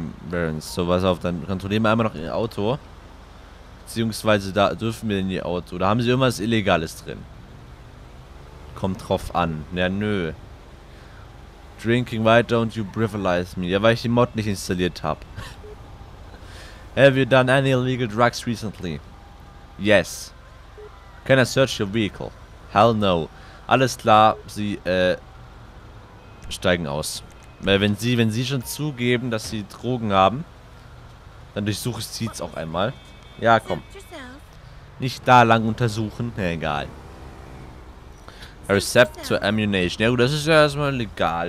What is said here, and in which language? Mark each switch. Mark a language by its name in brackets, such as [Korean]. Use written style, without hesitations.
[German] Barons, so, pass auf, dann kontrollieren wir einmal noch ihr Auto. Beziehungsweise da dürfen wir in ihr Auto. Da haben sie irgendwas Illegales drin. Kommt drauf an. Ja, nö. [English] Drinking, why don't you brutalize me? [German] Ja, weil ich die Mod nicht installiert habe. [English] Have you done any illegal drugs recently? Yes. Can I search your vehicle? Hell no. [German] Alles klar, sie steigen aus. Weil wenn sie schon zugeben, dass sie Drogen haben, dann durchsuche ich sie jetzt auch einmal. Ja, komm. Nicht da lang untersuchen. Na, egal. [English] A Recept to Ammunition. [German] Ja gut, das ist ja erstmal legal.